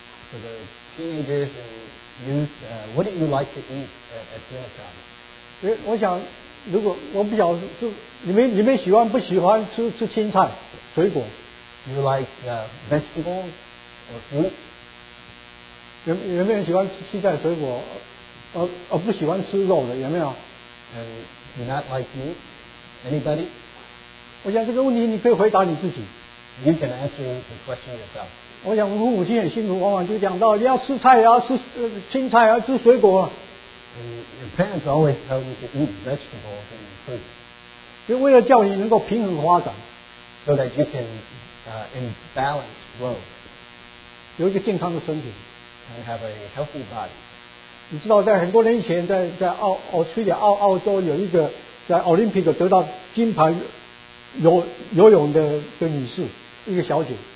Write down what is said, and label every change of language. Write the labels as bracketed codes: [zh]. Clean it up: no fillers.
[en] For the teenagers and youth, what do you like to eat at dinner time? [zh] 我想，如果我不晓得，就你们喜欢不喜欢吃青菜、水果 [en] ？You like vegetables or fruit? [zh] 有没有喜欢吃青菜、水果？而不喜欢吃肉的有没有 [en] ？And you not like meat? Anybody? [zh] 我想这个问题你可以回答你自己。 [en] You can answer the question yourself. [zh] 我想父母亲很辛苦，往往就讲到你要吃菜啊，吃青菜啊，吃水果。 [en] Your parents always tell you to eat vegetables and fruit. [zh] 就为了叫你能够平衡发展。 [en] So that you can imbalance growth. [zh] 有一个健康的身体。 [en] And have a healthy body. [zh] 你知道在很多年前在澳洲有一个在奥林匹克得到金牌游泳的女士，一个小姐。